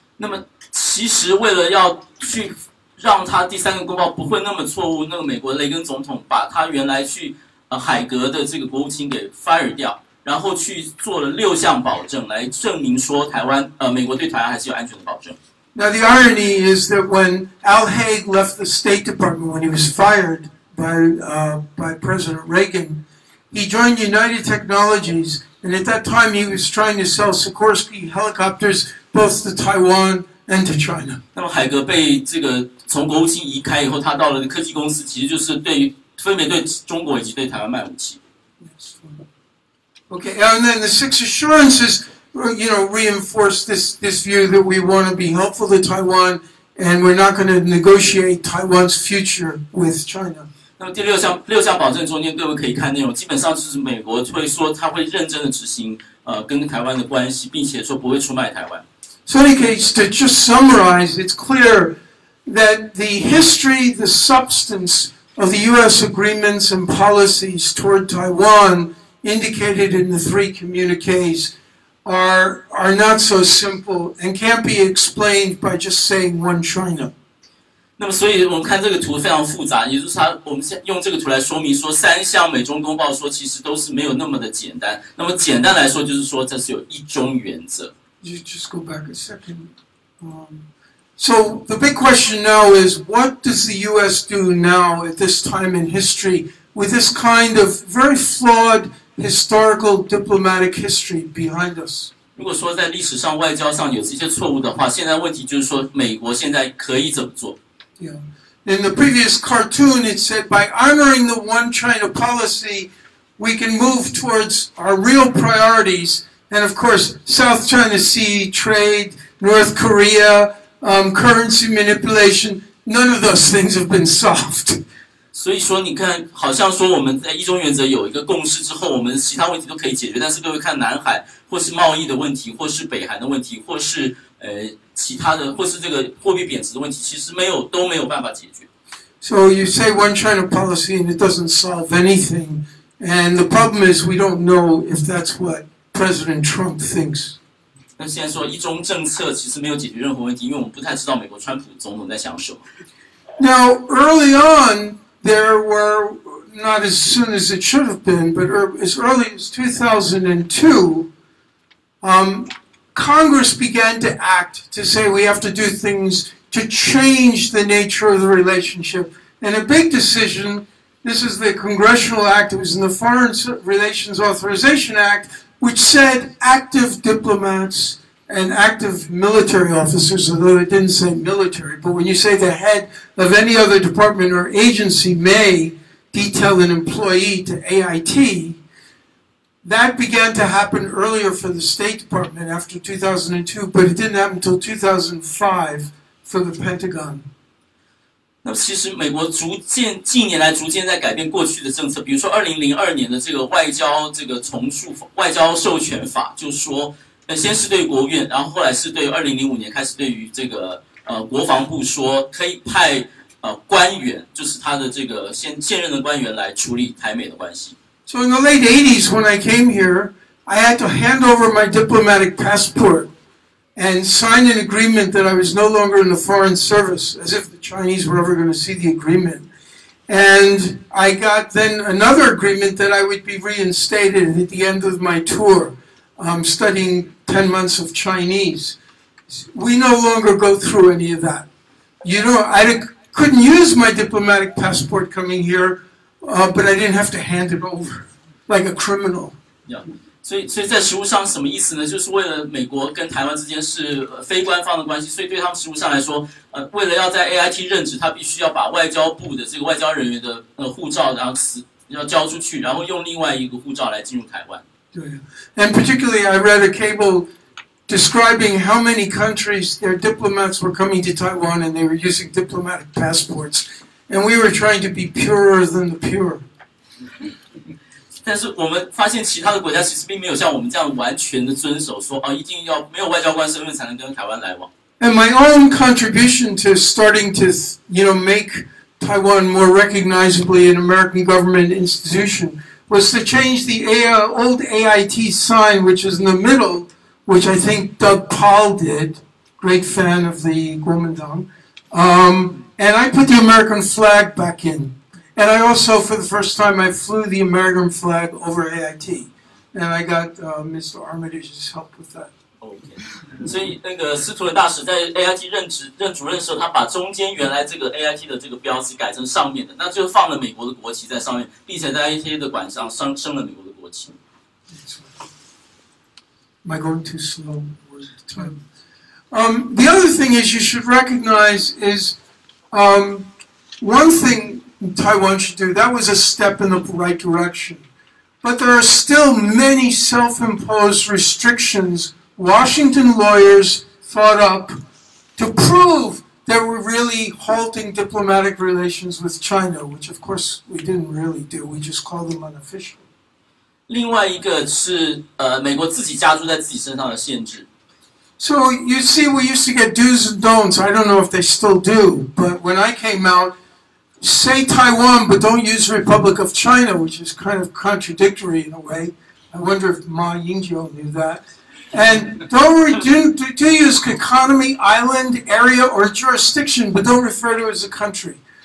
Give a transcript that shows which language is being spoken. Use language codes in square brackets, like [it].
[zh] 那么其实为了要去让他第三个公报不会那么错误，那个美国雷根总统把他原来去海阁的这个国务卿给 fire 掉，然后去做了六项保证来证明说台湾美国对台湾还是有安全的保证。 [en] Now the irony is that when Al Haig left the State Department when he was fired by President Reagan, he joined United Technologies, and at that time he was trying to sell Sikorsky helicopters both to Taiwan and to China. [zh] 那么海格被这个从国务卿移开以后，他到了科技公司，其实就是对分别对中国以及对台湾卖武器。 [en] Okay, and then the six assurances. You know, reinforce this view that we want to be helpful to Taiwan and we're not going to negotiate Taiwan's future with China. [zh] 那么第六项保证中间各位可以看内容，基本上就是美国会说他会认真的执行跟台湾的关系，并且说不会出卖台湾。 [en] So in case to just summarize, it's clear that the history, the substance of the U.S. agreements and policies toward Taiwan indicated in the three communiques. Are not so simple and can't be explained by just saying one China. [zh] 那么，所以我们看这个图非常复杂，也就是它，我们用这个图来说明说，三项美中公报说其实都是没有那么的简单。那么简单来说，就是说这是有一中原则。 [en] You just go back a second. So the big question now is, what does the U.S. do now at this time in history with this kind of very flawed? Historical diplomatic history behind us. [zh] 如果说在历史上外交上有这些错误的话，现在问题就是说，美国现在可以怎么做 [en] ？Yeah. In the previous cartoon, it said by honoring the One China policy, we can move towards our real priorities. And of course, South China Sea trade, North Korea, currency manipulation. None of those things have been solved. [zh] 所以说，你看，好像说我们在一中原则有一个共识之后，我们其他问题都可以解决。但是各位看，南海或是贸易的问题，或是北韩的问题，或是其他的，或是这个货币贬值的问题，其实都没有办法解决。 [en] So you say one China policy and it doesn't solve anything, and the problem is we don't know if that's what President Trump thinks. [zh] 那现在说一中政策其实没有解决任何问题，因为我们不太知道美国川普总统在想什么。 [en] Now early on. There were, not as soon as it should have been, but as early as 2002, Congress began to act to say we have to do things to change the nature of the relationship. And a big decision, this is the Congressional Act, it was in the Foreign Relations Authorization Act, which said active diplomats and active military officers, although it didn't say military, but when you say the head of any other department or agency may detail an employee to AIT, that began to happen earlier for the State Department after 2002, but it didn't happen until 2005 for the Pentagon. [zh] 那其实美国近年来逐渐在改变过去的政策，比如说2002年的这个外交授权法，就是说先是对国务院，然后后来是对2005年开始对于这个国防部说可以派官员，就是他的这个现任的官员来处理台美的关系。 [en] So in the late 80s when I came here, I had to hand over my diplomatic passport and sign an agreement that I was no longer in the foreign service, as if the Chinese were ever going to see the agreement. And I got then another agreement that I would be reinstated at the end of my tour. Studying 10 months of Chinese. We no longer go through any of that. You know, I couldn't use my diplomatic passport coming here, but I didn't have to hand it over like a criminal. Yeah. [zh] 所以在实务上什么意思呢？就是为了美国跟台湾之间是非官方的关系，所以对他们实务上来说，为了要在 AIT 任职，他必须要把外交部的这个外交人员的护照，然后要交出去，然后用另外一个护照来进入台湾。 [en] Yeah. And particularly, I read a cable describing how many countries their diplomats were coming to Taiwan and they were using diplomatic passports. And we were trying to be purer than the pure. [zh] 但是我们发现其他的国家其实并没有像我们这样完全的遵守说，一定要没有外交官身份才能跟台湾来往。 [en] And my own contribution to starting to, make Taiwan more recognizably an American government institution was to change the old AIT sign, which is in the middle, which I think Doug Paul did, great fan of the Kuomintang. And I put the American flag back in. And I also, for the first time, I flew the American flag over AIT. And I got Mr. Armitage's help with that. Okay. [zh] 所以那个司徒伦大使在 AIT 任主任的时候，他把中间原来这个 AIT 的这个标志改成上面的，那就放了美国的国旗在上面，并且在 AIT 的馆上升了美国的国旗。 [en] Am I going too slow? Where's the time? The other thing is you should recognize is one thing Taiwan should do, that was a step in the right direction. But there are still many self-imposed restrictions Washington lawyers thought up to prove that we're really halting diplomatic relations with China, which of course we didn't really do, we just called them unofficial. [zh] 另外一个是美国自己加注在自己身上的限制。 [en] So you see, we used to get do's and don'ts, I don't know if they still do, but when I came out, say Taiwan, but don't use Republic of China, which is kind of contradictory in a way. I wonder if Ma Ying-jeou knew that. And do use economy, island, area, or jurisdiction, but don't refer to it as a country.